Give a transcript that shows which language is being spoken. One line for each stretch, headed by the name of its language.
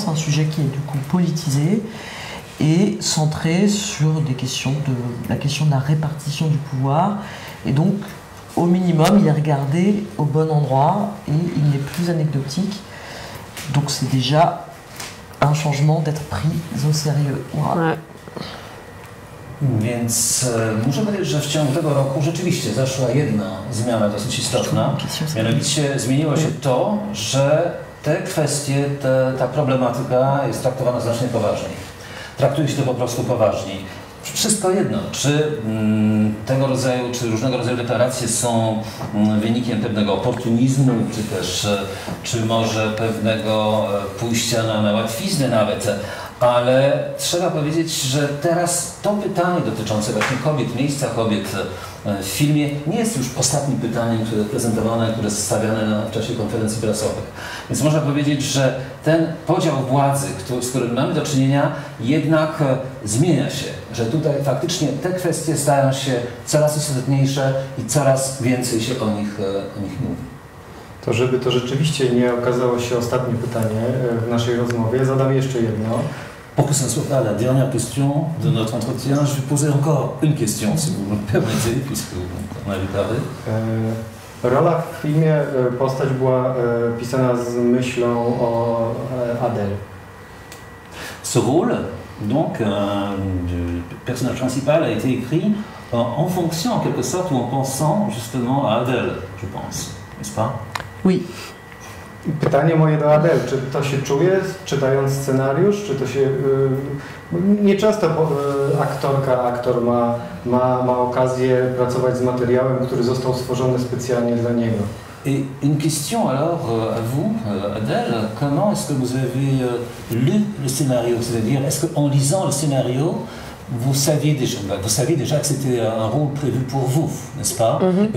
French: C'est un sujet qui est du coup politisé et centré sur des questions de la question de la répartition du pouvoir. Et donc, au minimum, il est regardé au bon endroit et il n'est plus anecdotique. Donc, c'est déjà un changement d'être pris au sérieux. Voilà. Ouais.
Polish: Więc muszę powiedzieć, że w ciągu tego roku rzeczywiście zaszła jedna zmiana dosyć istotna. Mianowicie zmieniło się to, że te kwestie, ta problematyka jest traktowana znacznie poważniej. Traktuje się to po prostu poważniej. Wszystko jedno, czy tego rodzaju, czy różnego rodzaju deklaracje są wynikiem pewnego oportunizmu, czy też, czy może pewnego pójścia na łatwiznę nawet. Ale trzeba powiedzieć, że teraz to pytanie dotyczące właśnie kobiet, miejsca kobiet w filmie nie jest już ostatnim pytaniem, które prezentowane, które stawiane w czasie konferencji prasowych. Więc można powiedzieć, że ten podział władzy, z którym mamy do czynienia, jednak zmienia się. Że tutaj faktycznie te kwestie stają się coraz istotniejsze i coraz więcej się o nich mówi. To żeby to rzeczywiście nie okazało się ostatnie pytanie w naszej rozmowie, zadam jeszcze jedno.
French: Pour que ça soit pas la dernière question de notre entretien, je vais poser encore une question, si vous me permettez, puisque on a parlé.
Polish: Rola w filmie, postać była pisana z myślą o Adèle.
French: Ce rôle, donc, du personnage principal a été écrit en fonction, en quelque sorte, ou en pensant justement à Adèle, je pense, n'est-ce pas? Oui.
Polish: Pytanie moje do Adel, czy to się czuje, czytając scenariusz, czy to się... nieczęsto aktorka, aktor ma okazję pracować z materiałem, który został stworzony specjalnie dla niego.
French: Et une question alors à vous, Adèle, comment est-ce que vous avez lu le scénario? C'est-à-dire, est-ce qu'en lisant le scénario, vous saviez déjà que c'était un rôle prévu pour vous, n'est-ce pas? Mm-hmm.